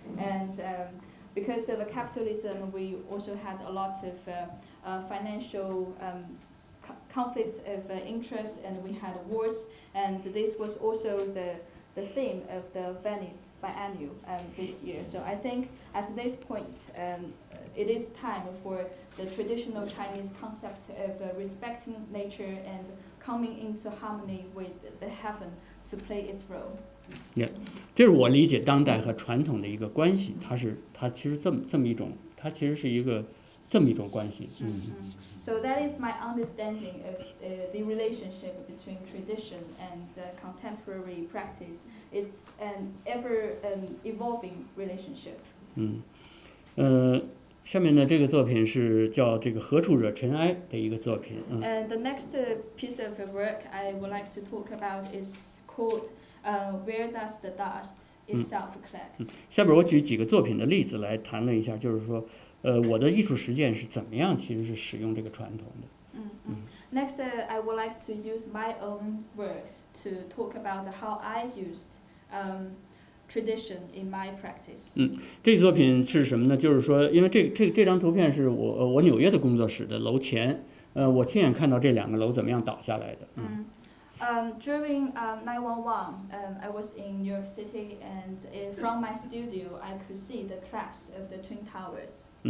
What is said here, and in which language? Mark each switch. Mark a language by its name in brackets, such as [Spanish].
[English] And because of capitalism, we also had a lot of financial conflicts of interest, and we had wars, and this was also the theme of the Venice Biennial this year. So I think at this point, it is time for the traditional Chinese concept of respecting nature and coming into harmony with the heaven to play its role. Yeah, [Chinese] 这是我理解当代和传统的一个关系，它其实是一个。这么一种关系。 [English] So that is my understanding of the relationship between tradition and contemporary practice. It's an ever evolving relationship. [Chinese] 下面呢，这个作品是叫这个《何处惹尘埃》的一个作品。 [English] And the next piece of work I would like to talk about is called Where Does the Dust Itself Collect? [Chinese] 下边我举几个作品的例子来谈论一下，就是说。我的艺术实践是怎么样？其实是使用这个传统的。 [English] Next, I would like to use my own works to talk about how I used tradition in my practice. [Chinese] 这个作品是什么呢？就是说，因为这张图片是我纽约的工作室的楼前，我亲眼看到这两个楼怎么样倒下来的。 [English] During 9/11, I was in New York City, and from my studio, I could see the collapse of the Twin Towers.